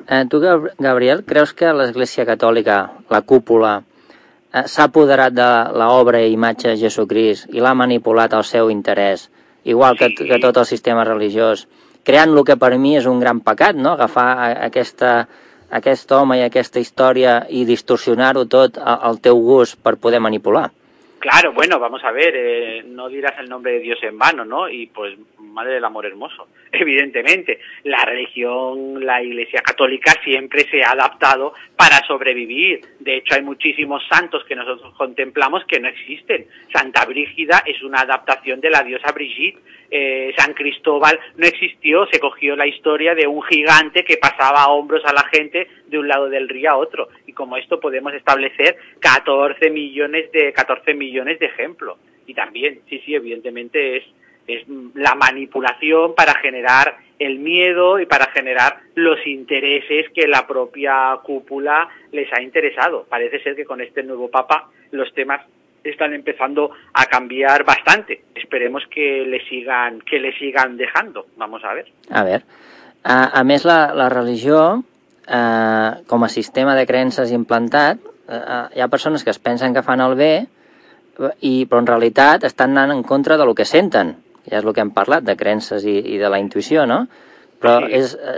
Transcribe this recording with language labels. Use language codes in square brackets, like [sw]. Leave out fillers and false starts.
[ca] Tu, Gabriel, creus que l'Església Catòlica, la cúpula, s'ha apoderat de l'obra i imatge de Jesucrist i l'ha manipulat al seu interès, igual sí, que tot el sistema religiós, creant el que per mi és un gran pecat, no? Agafar aquest home i aquesta història i distorsionar-ho tot al teu gust per poder manipular? [es] Claro, bueno, vamos a ver, no dirás el nombre de Dios en vano, ¿no? Y pues, madre del amor hermoso, evidentemente. La religión, la Iglesia Católica siempre se ha adaptado para sobrevivir. De hecho, hay muchísimos santos que nosotros contemplamos que no existen. Santa Brígida es una adaptación de la diosa Brigitte. San Cristóbal no existió, se cogió la historia de un gigante que pasaba a hombros a la gente de un lado del río a otro. Y como esto podemos establecer 14 millones de ejemplos. Y también, sí, sí, evidentemente es la manipulación para generar el miedo y para generar los intereses que la propia cúpula les ha interesado. Parece ser que con este nuevo papa los temas están empezando a cambiar bastante. Esperemos que le sigan dejando. Vamos a ver. A ver. [ca] A més, la religió, com a sistema de creences implantat, hi ha persones que es pensen que fan el bé, però en realitat estan anant en contra del que senten. Ja és el que hem parlat, de creences i de la intuïció, no? Però sí.